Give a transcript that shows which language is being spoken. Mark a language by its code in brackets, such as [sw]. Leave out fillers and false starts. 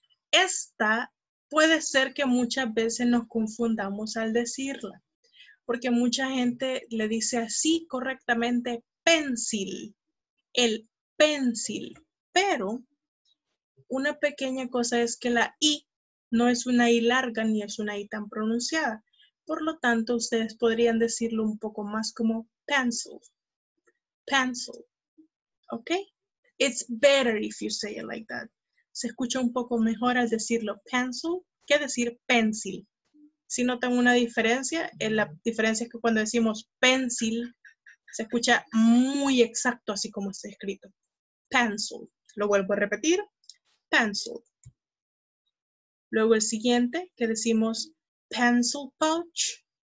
[es] Esta puede ser que muchas veces nos confundamos al decirla, porque mucha gente le dice así correctamente pencil, el pencil. Pero una pequeña cosa es que la I no es una I larga ni es una I tan pronunciada. Por lo tanto, ustedes podrían decirlo un poco más como pencil. [en] Pencil. Okay? It's better if you say it like that. [es] se escucha un poco mejor al decirlo pencil que decir pencil. Si notan una diferencia, la diferencia es que cuando decimos pencil, se escucha muy exacto así como está escrito. Pencil. Lo vuelvo a repetir. Pencil. Luego el siguiente, que decimos pencil pouch.